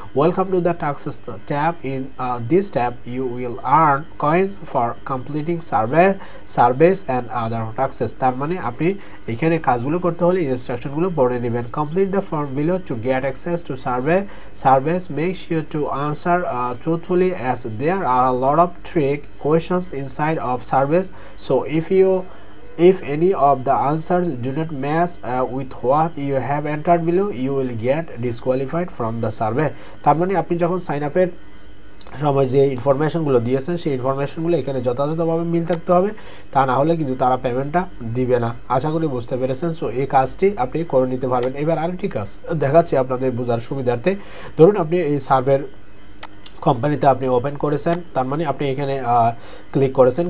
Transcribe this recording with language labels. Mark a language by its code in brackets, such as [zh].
[en] Welcome to the tasks tab, in this tab you will earn coins for completing service and other tasks. [bn] তার মানে আপনি এখানে কাজগুলো করতে হলে ইনস্ট্রাকশনগুলো পড়ে নেবেন। [en] Complete the form below to get access to service, make sure to answer truthfully as there are a lot of trick questions inside of service. So if you If any of the answers do not match with what you have entered below, you will get disqualified from the survey. [bn] তার মানে আপনি যখন sign আপের সময় যে ইনফরমেশনগুলো দিয়েছেন সেই ইনফরমেশনগুলো এখানে যথাযথভাবে মিল থাকতে হবে, তা না হলে কিন্তু তারা পেমেন্টটা দিবে না। আশা করি বুঝতে পেরেছেন। সো এই কাজটি আপনি করে নিতে পারবেন। এবার আরেকটি কাজ দেখাচ্ছি আপনাদের বোঝার সুবিধার্থে। ধরুন আপনি এই সার্ভের কোম্পানিতে আপনি ওপেন করেছেন, তার মানে আপনি এখানে ক্লিক করেছেন।